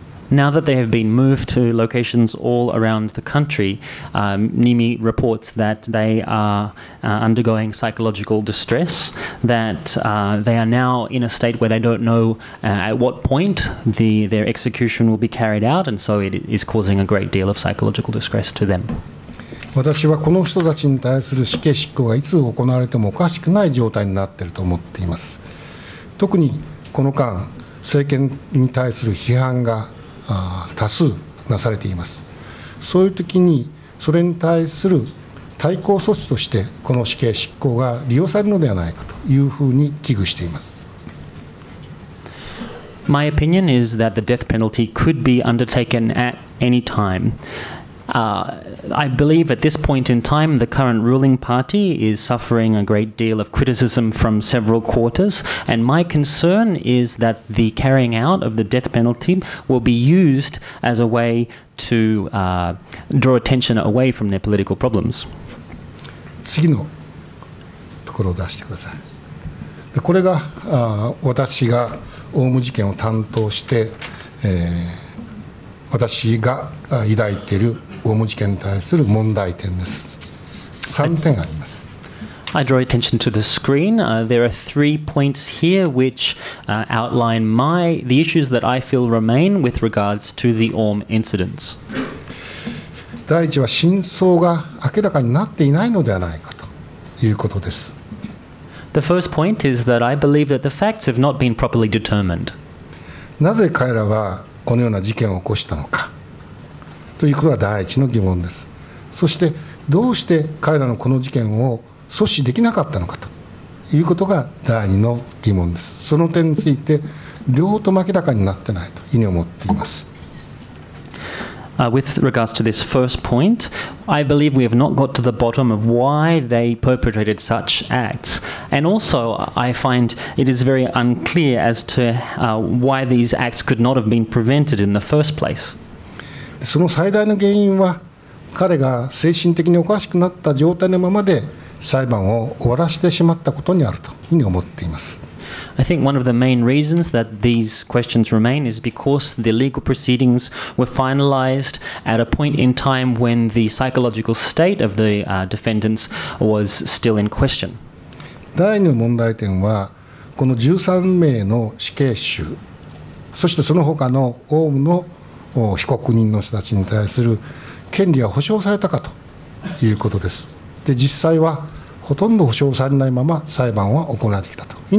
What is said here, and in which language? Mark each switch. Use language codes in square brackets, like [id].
[en] Now that they have been moved to locations all around the country, Nimi reports that they are undergoing psychological distress, that they are now in a state where they don't know at what point their execution will be carried out, and so it is causing a great deal of psychological distress to them. [ja] 私はこの人たちに対する死刑執行がいつ行われてもおかしくない状態になっていると思っています。特にこの間、政権に対する批判が多数なされています。そういう時にそれに対する対抗措置としてこの死刑執行が利用されるのではないかというふうに危惧しています。 [en] My opinion is that the death penalty could be undertaken at any time. I believe at this point in time the current ruling party is suffering a great deal of criticism from several quarters, and my concern is that the carrying out of the death penalty will be used as a way to draw attention away from their political problems. [ja] 次のところを出してください。で、これが私がオウム事件を担当して、私が抱いているオウム事件に対する問題点です。 3点あります。 [en] I draw attention to the screen. There are 3 points here which outline the issues that I feel remain with regards to the Aum incidents. [ja] 第一は真相が明らかになっていないのではないかということです。 [en] The first point is that I believe that the facts have not been properly determined. [ja] なぜ彼らはこのような事件を起こしたのかということが第一の疑問です。そしてどうして彼らのこの事件を阻止できなかったのかということが第二の疑問です。その点について両方とも明らかになってないというふうに思っています。 [en] With regards to this first point, I believe we have not got to the bottom of why they perpetrated such acts. And also, I find it is very unclear as to why these acts could not have been prevented in the first place. [ja] その最大の原因は、彼が精神的におかしくなった状態のままで裁判を終わらせてしまったことにあるというふうに思っています。 [en] I think one of the main reasons that these questions remain is because the legal proceedings were finalized at a point in time when the psychological state of the defendants was still in question. [ja] 第二の問題点は、この13名の死刑囚、そしてその他のオウムの被告人の人たちに対する権利は保障されたかということです。で、実際はほとんど保障されないまま裁判は行われてきたと。